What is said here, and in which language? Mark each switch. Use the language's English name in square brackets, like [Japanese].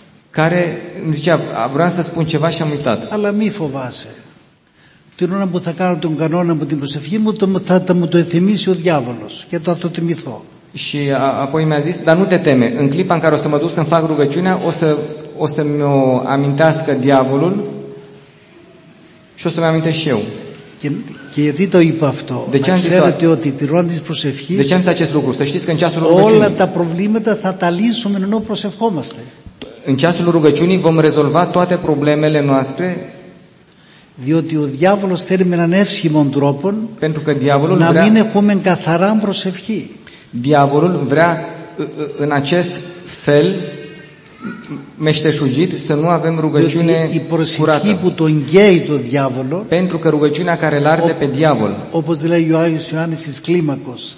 [Romanian] Care îmi zicea, vreau să spun ceva și am uitat. [Greek] Αλλά μη φοβάσαι. Την ώρα που θα κάνω τον κανόνα μου την προσευχή μου, θα μου το εθυμίσει ο διάβολος και θα το θυμηθώ. [Romanian] Și apoi mi-a zis, dar nu te teme, în clipa în care o să mă duc să-mi fac rugăciunea, o să mi-o amintească diavolul și o să-mi amintesc și eu. [Greek] Και γιατί το είπα αυτό? Ξέρετε ότι τη ώρα της προσευχής όλα τα προβλήματα θα τα λύσουμε ενώ προσευχόμαστε. [Romanian] În ceasul rugăciunii vom rezolva toate problemele noastre. [Greek] Διότι ο διάβολος θέλει με έναν εύσχημο τρόπο να μην έχουμε καθαρά προσευχή. Διάβολος βρέα [Romanian] în acest fel meșteșugit să nu avem rugăciune curată. [Greek] Διότι η προσευχή που τον καίει το διάβολο, [Romanian] pentru că rugăciunea care îl arde pe diavol, [Greek] όπως λέει ο Άγιος Ιωάννης της Κλίμακος,